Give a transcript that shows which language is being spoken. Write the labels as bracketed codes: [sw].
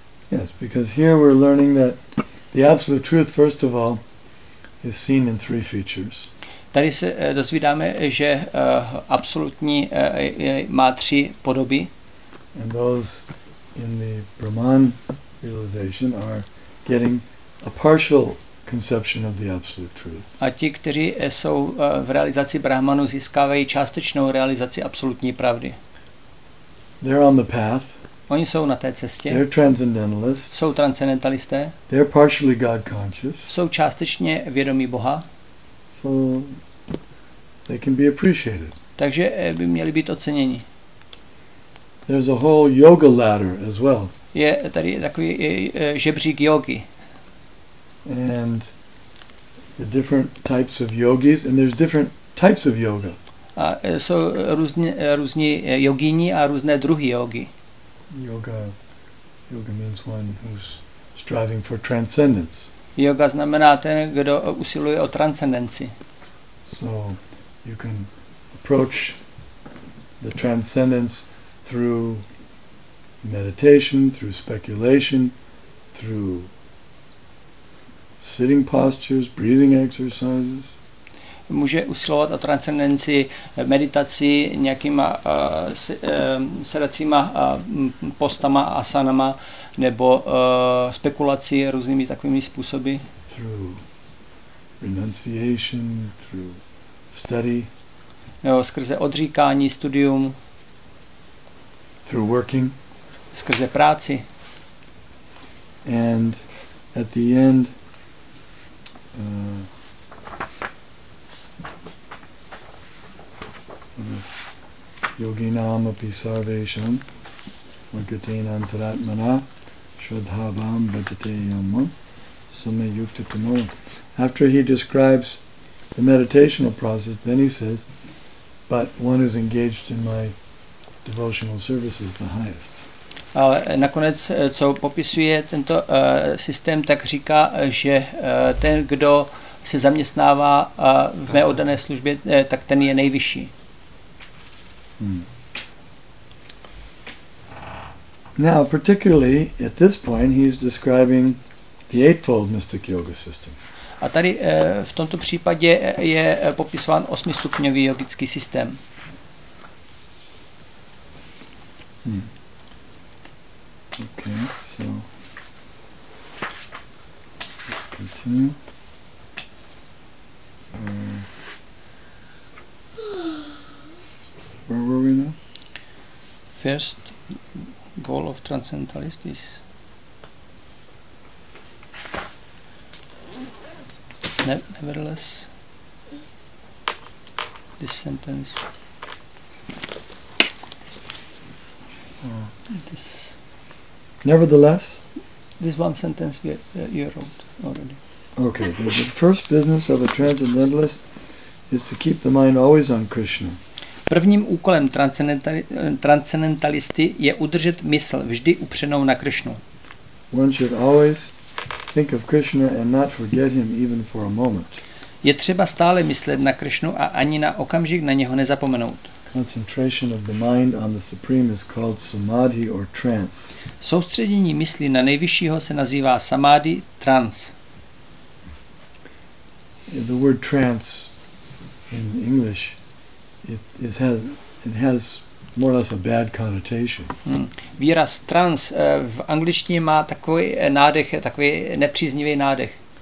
[en] Yes, because here we're learning that the absolute truth, first of all, is seen in three features. [cs] Tady se dozvídáme, že absolutní má tři podoby. [en] And those in the Brahman realization are getting a partial conception of the absolute truth. [cs] A ti, kteří jsou v realizaci Brahmanu, získávají částečnou realizaci absolutní pravdy. [en] They're on the path. [cs] Oni jsou na té cestě. [en] They're transcendentalists. [cs] Jsou transcendentalisté. [en] They're partially God conscious. [cs] Jsou částečně vědomí Boha. [en] So they can be appreciated. [cs] Takže by měli být oceněni. [en] There's a whole yoga ladder as well. [cs] Je tady takový žebřík jogy. [en] And the different types of yogis, and there's different types of yoga. [cs] A jsou různí jogíni a různé druhy jogy. [en] Yoga means one who's striving for transcendence. [cs] Yoga znamená ten, kdo usiluje o transcendenci. [en] So you can approach the transcendence through meditation, through speculation, through sitting postures, breathing exercises. [cs] Může usilovat o transcendenci meditací, nějakýma sedacíma postama, asanama, nebo spekulací různými takovými způsoby. [en] Through renunciation, through study. [cs] Nebo skrze odříkání, studium. [en] Through working. [cs] Skrze práci. [en] And at the end, [sa] Yoginam api sarvesham mukatena antaratmana shuddhavam bhajate yam samayukta tamo. [en] After he describes the meditational process, then he says, but one is engaged in my devotional service is the highest. [cs] Ale nakonec, co popisuje tento systém, tak říká, že ten, kdo se zaměstnává v mé oddané službě, tak ten je nejvyšší. [en] Now, particularly at this point, he's describing the eightfold mystic yoga system. [cs] A tady v tomto případě je popisován osmistupňový yogický systém. [en] Okay, so let's continue. Where were we now? First goal of transcendentalist is nevertheless this sentence. This nevertheless. This one sentence you wrote already. Okay. The first business of a transcendentalist is to keep the mind always on Krishna. [cs] Prvním úkolem transcendentalisty je udržet mysl vždy upřenou na Krishnu. [en] One should always think of Krishna and not forget him even for a moment. [cs] Je třeba stále myslet na Krishnu a ani na okamžik na něho nezapomenout. [en] Concentration of the mind on the supreme is called samadhi or trance. [cs] Soustředění mysli na nejvyššího se nazývá samadhi, trance. [en] The word trance in English it has more or less a bad connotation. [cs] Výraz trance v angličtině má takový nepříznivý nádech.